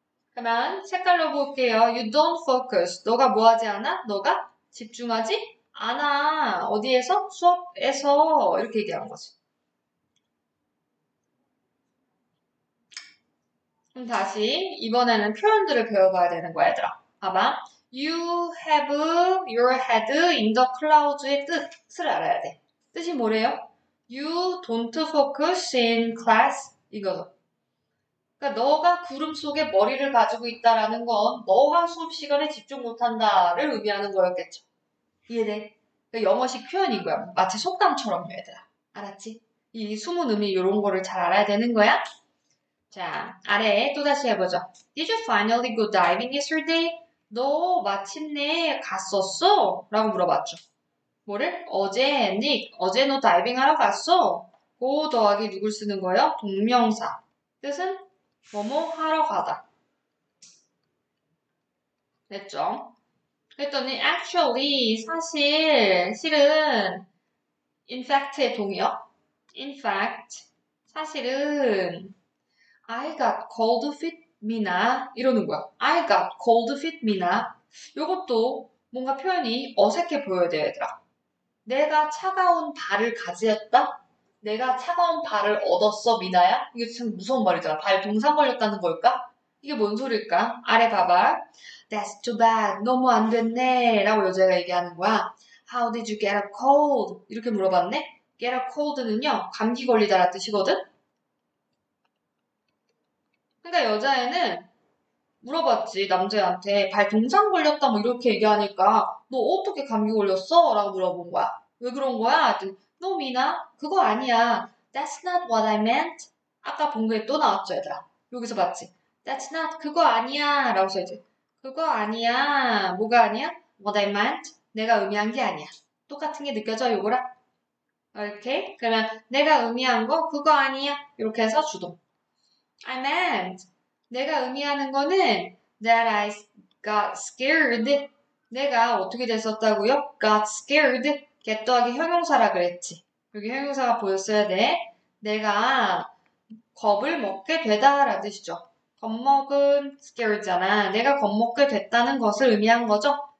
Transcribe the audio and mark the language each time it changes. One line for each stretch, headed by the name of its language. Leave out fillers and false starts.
Korean: 그러면 색깔로 볼게요.
English: You don't focus.
Korean: 너가 뭐 하지 않아? 너가 집중하지? 아나, 어디에서? 수업에서. 이렇게 얘기하는 거지. 그럼 다시, 이번에는 표현들을 배워봐야 되는 거야, 얘들아. 봐봐.
English: You have your head in the clouds의 뜻을 알아야 돼.
Korean: 뜻이 뭐래요?
English: You don't focus in class. 이거.
Korean: 그러니까 너가 구름 속에 머리를 가지고 있다라는 건 너가 수업 시간에 집중 못한다를 의미하는 거였겠죠. 이해돼? 영어식 표현인 거야. 마치 속담처럼 얘들아. 알았지? 이 숨은 의미 이런 거를 잘 알아야 되는 거야. 자, 아래에 또 다시 해보죠.
English: Did you finally go diving yesterday?
Korean: 너 마침내 갔었어? 라고 물어봤죠. 뭐를? 어제, 닉, 어제 너 다이빙하러 갔어? go 더하기 누굴 쓰는 거예요? 동명사. 뜻은? 뭐뭐 하러 가다. 됐죠? 그랬더니 actually 사실 실은 in fact의 동의어.
English: In fact 사실은 I got cold feet, 미나
Korean: 이러는 거야.
English: I got cold feet, 미나.
Korean: 이것도 뭔가 표현이 어색해 보여야 돼, 얘들아. 내가 차가운 발을 가지였다. 내가 차가운 발을 얻었어, 미나야. 이게 참 무서운 말이잖아. 발 동상 걸렸다는 걸까? 이게 뭔 소릴까? 아래 봐봐.
English: That's too bad.
Korean: 너무 안 됐네. 라고 여자가 얘기하는 거야.
English: How did you get a cold?
Korean: 이렇게 물어봤네. get a cold는요, 감기 걸리다라는 뜻이거든? 근데 여자애는 물어봤지, 남자애한테. 발 동상 걸렸다, 뭐 이렇게 얘기하니까, 너 어떻게 감기 걸렸어? 라고 물어본 거야. 왜 그런 거야? 너 미나? 그거 아니야.
English: That's not what I meant.
Korean: 아까 본게또 나왔죠, 얘들아. 여기서 봤지.
English: That's not,
Korean: 그거 아니야. 라고 써야지. 그거 아니야. 뭐가 아니야?
English: What I meant.
Korean: 내가 의미한 게 아니야. 똑같은 게 느껴져, 요거랑? 오케이. 그러면 내가 의미한 거 그거 아니야. 이렇게 해서 주동. I meant. 내가 의미하는 거는
English: that I got scared.
Korean: 내가 어떻게 됐었다고요?
English: Got scared.
Korean: get 더하기 형용사라 그랬지. 여기 형용사가 보였어야 돼. 내가 겁을 먹게 되다라는 뜻이죠. 겁먹은 scared잖아. 내가 겁먹게 됐다는 것을 의미한 거죠.